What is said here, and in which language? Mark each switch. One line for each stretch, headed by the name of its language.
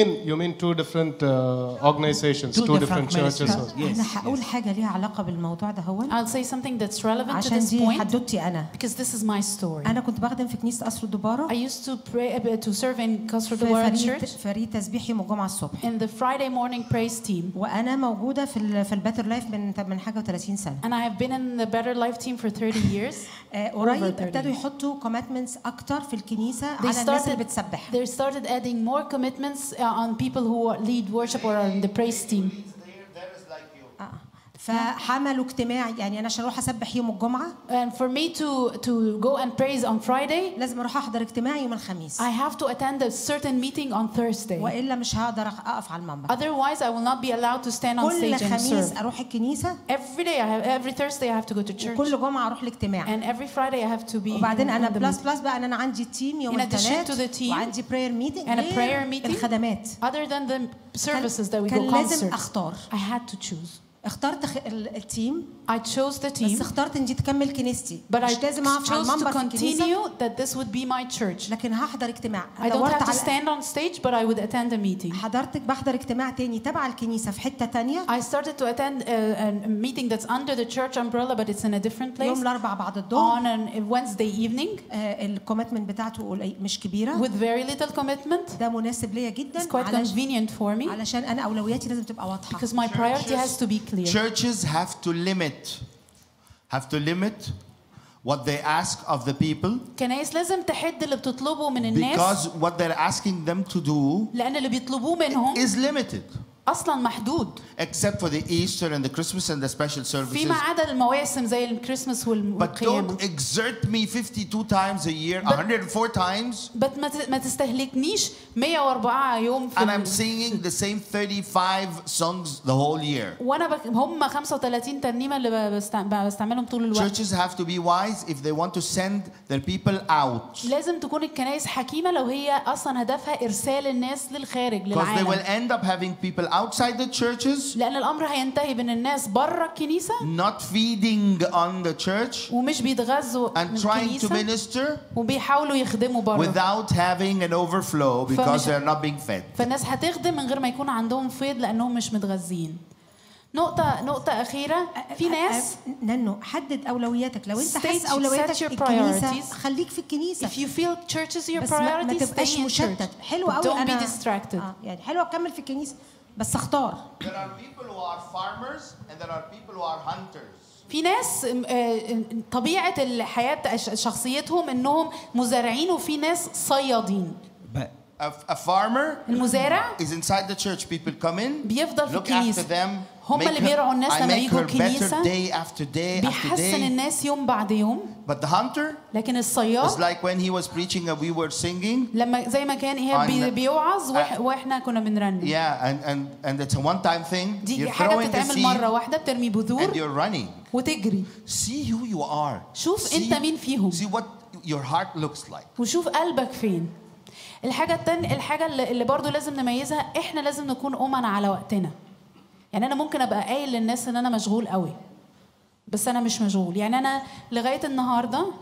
English: you mean two different organizations, two different churches? I'll say something that's relevant to this point. Because this is my story.
Arabic: أنا كنت بخدم في كنيسة قصر الدبارة.
English: I used to pray to serve in قصر الدبارة church.
Arabic: فريق تسبيحي مجمع الصبح.
English: In the Friday morning praise team.
Arabic: وأنا موجودة في Better Life من حاجة وثلاثين سنة.
English: And I have been in the Better Life team for 30 years.
Arabic: قريب ابتدوا يحطوا commitments أكتر في الكنيسة على الناس اللي بتسبح.
English: They started adding more commitments on people who lead worship or are in the praise team.
Arabic: فحملوا اجتماعي يعني انا عشان اروح اسبح يوم الجمعه
English: and for me to go and praise on Friday
Arabic: لازم اروح احضر اجتماعي يوم الخميس
English: I have to attend a certain meeting on Thursday
Arabic: والا مش هقدر اقف على المنبر
English: otherwise I will not be allowed to stand on stage
Arabic: كل خميس اروح الكنيسه
English: every day I have every Thursday I have to go to church
Arabic: وكل جمعه اروح الاجتماع
English: and every Friday I have to be
Arabic: وبعدين انا بلس بلس بقى انا عندي تيم يوم الثلاثاء وعندي prayer meeting
English: and a prayer meeting
Arabic: الخدمات
English: other than the services that we go concerts
Arabic: لازم اختار
English: I had to choose
Arabic: اخترت التيم
English: I chose the team
Arabic: بس اخترت اني تكمل كنيستي
English: but I chose to continue that this would be my church
Arabic: لكن هحضر اجتماع
English: I don't have to stand on stage but I would attend a meeting
Arabic: حضرتك بحضر اجتماع تاني تبع الكنيسة في حتة تانية
English: I started to attend a meeting that's under the church umbrella but it's in a different place
Arabic: يوم الاربعاء بعد الظهر
English: on a Wednesday evening
Arabic: الكوميتمنت بتاعته مش كبيرة
English: with very little commitment
Arabic: ده مناسب ليا جدا
English: it's quite convenient for me
Arabic: علشان انا اولوياتي لازم تبقى واضحة
English: because my priority has to be clear churches have to limit what they ask of the people
Arabic: كنايس لازم تحد اللي بتطلبه من الناس
English: because what they're asking them to do
Arabic: لان اللي بيطلبوه منهم
English: is limited
Arabic: اصلا محدود
English: except for the Easter and the Christmas and the special services
Arabic: فيما عدا المواسم زي الكريسماس والقيامة
English: but don't exert me 52 times a year 104 times
Arabic: but ما تستهلكنيش 104 يوم في
English: and I'm singing the same 35 songs the whole year
Arabic: وانا هم 35 ترنيمه اللي بستعملهم طول الوقت
English: churches have to be wise if they want to send their people out
Arabic: لازم تكون الكنائس حكيمه لو هي اصلا هدفها ارسال الناس للخارج للعالم
English: because they will end up having people outside the churches
Arabic: لان الامر هينتهي بان الناس بره الكنيسه
English: not feeding on the church
Arabic: ومش بيتغذوا الكنيسه
English: and trying to minister
Arabic: وبيحاولوا يخدموا بره
English: without having an overflow because they're not being fed
Arabic: فالناس هتخدم من غير ما يكون عندهم فيض لانهم مش متغذين نقطة أخيرة في ناس ننو حدد أولوياتك لو أنت حاسس أولوياتك الكنيسة خليك في الكنيسة
English: if you feel church is your priority
Arabic: بس ما تبقاش مشتت حلو أوي
English: don't be distracted
Arabic: يعني حلو أكمل في الكنيسة بس اختار
English: there are people who are farmers and there are people who are hunters
Arabic: في ناس طبيعة الحياة شخصيتهم إنهم مزارعين وفي ناس صيادين
English: a farmer is inside the church people come in
Arabic: بيفضل في الكنيسة
English: look after them
Arabic: هم اللي بيرعوا الناس لما يجوا الكنيسة
English: day after day after day
Arabic: بيحسن الناس يوم بعد يوم
English: but the hunter
Arabic: لكن الصياد
English: was like when he was preaching and we were singing
Arabic: لما زي ما كان إيهاب بيوعظ وإحنا كنا بنرنم
English: yeah and it's a one time thing you're throwing the seed
Arabic: مرة واحدة بترمي بذور
English: and you're running
Arabic: وتجري
English: see who you are
Arabic: شوف أنت مين فيهم
English: see what your heart looks like
Arabic: وشوف قلبك فين الحاجة التانية الحاجة اللي برضو لازم نميزها إحنا لازم نكون أمنا على وقتنا يعني انا ممكن ابقى قايل للناس ان انا مشغول قوي بس انا مش مشغول يعني انا لغايه النهارده